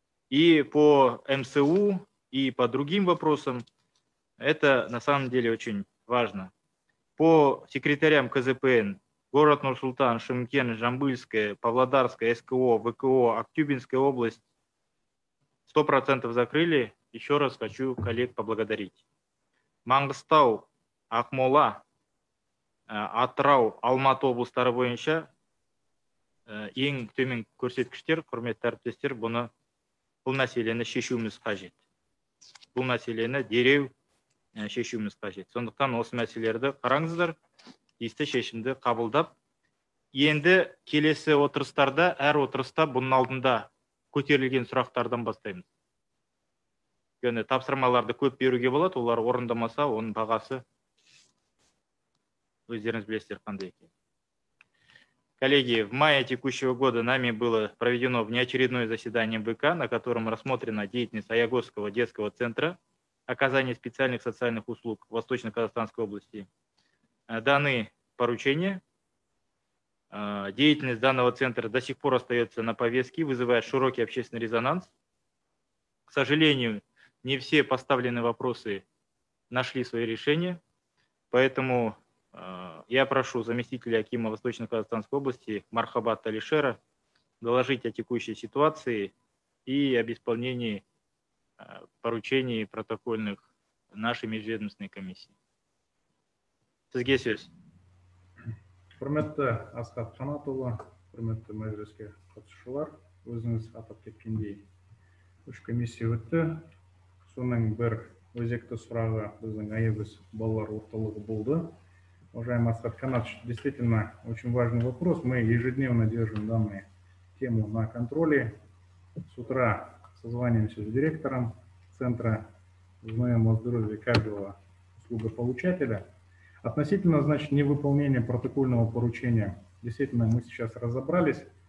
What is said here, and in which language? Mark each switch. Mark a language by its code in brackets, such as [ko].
[ru] И по МСУ, и по другим вопросам, это на самом деле очень важно. По секретарям КЗПН, город Нур-Султан, Шымкент, Жамбыльская, Павлодарская, СКО, ВКО, Актюбинская область, 100% закрыли. Еще раз хочу коллег поблагодарить. [kk] Маңғыстау, Ақмола, Атырау, Алматы облыстары бойынша ең төмен көрсеткіштер, құрметті әріптестер, бұл мәселені шешуіміз қажет. Бұл мәселені дереу шешуіміз қажет. Сондықтан осы мәселелерді қараңыздар, тиісті шешімді қабылдап. Енді келесі отырыстарда, әр отырыста бұның алдында көтерілген сұрақтардан бастаймыз. Өйткені тапсырмаларды көп беруге болады, олар орындамаса, оның бағасы өздеріңіз білесіздер қандай екен. [ru] Коллеги, в мае текущего года нами было проведено внеочередное заседание БК, на котором рассмотрена деятельность Аягосского детского центра оказания специальных социальных услуг в Восточно-Казахстанской области. Даны поручения. Деятельность данного центра до сих пор остается на повестке, вызывает широкий общественный резонанс. К сожалению, не все поставленные вопросы нашли свои решения, поэтому я прошу заместителя акима Восточно-Казахстанской области Мархабата Алишера доложить о текущей ситуации и об исполнении поручений протокольных нашей межведомственной комиссии. [kk] Сізге сөз. Құрметті Асхат Қанатұлы, құрметті мәжіліске қатысушылар, өзіңіз атап кеткендей үш комиссия өтті. Соның бір өзекті сұрағы біздің Аягөз балалар орталығы болды. [ru] Уважаемый Асхат Қанатович, действительно очень важный вопрос. Мы ежедневно держим данную тему на контроле. С утра созваниваемся с директором центра, узнаем о здоровье каждого услугополучателя. Относительно, значит, невыполнения протокольного поручения, действительно, мы сейчас разобрались.